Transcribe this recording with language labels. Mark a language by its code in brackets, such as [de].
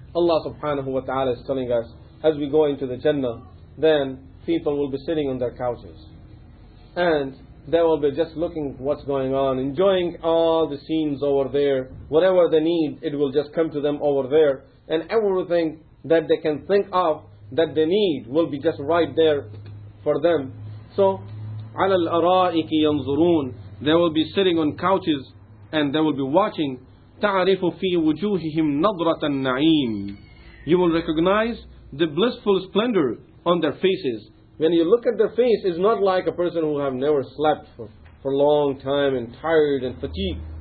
[en] Allah subhanahu wa ta'ala is telling us, as we go into the Jannah, then people will be sitting on their couches. And they will be just looking what's going on, enjoying all the scenes over there. Whatever they need, it will just come to them over there. And everything that they can think of, that they need, will be just right there for them. [ar] So, عَلَى الْأَرَائِكِ يَنْظُرُونَ. [en] They will be sitting on couches and they will be watching. [ar] تَعْرِفُ فِي وُجُوهِهِمْ نَظْرَةَ النَّعِيمِ. [en] You will recognize the blissful splendor on their faces. When you look at their face, it's not like a person who have never slept for a long time and tired and fatigued.